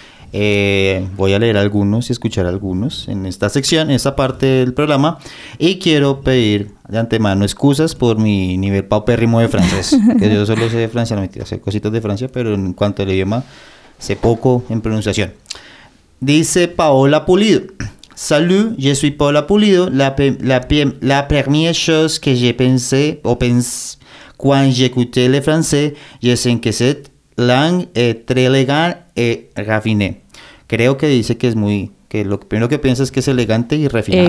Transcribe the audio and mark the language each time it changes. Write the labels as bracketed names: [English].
[Spanish] Voy a leer algunos y escuchar algunos en esta sección, en esta parte del programa. Y quiero pedir de antemano excusas por mi nivel paupérrimo de francés. Que yo solo sé de Francia, no mentira, sé cositas de Francia, pero en cuanto al idioma, sé poco en pronunciación. Dice [French] Paola Pulido: Salut, je suis Paola Pulido. La première chose que j'ai pensé, o pensé, quand j'écoutais le français, je sens que c'est langue très élégante et raffinée. [Spanish] Creo que dice que es muy, que lo primero que piensa es que es elegante y refinado.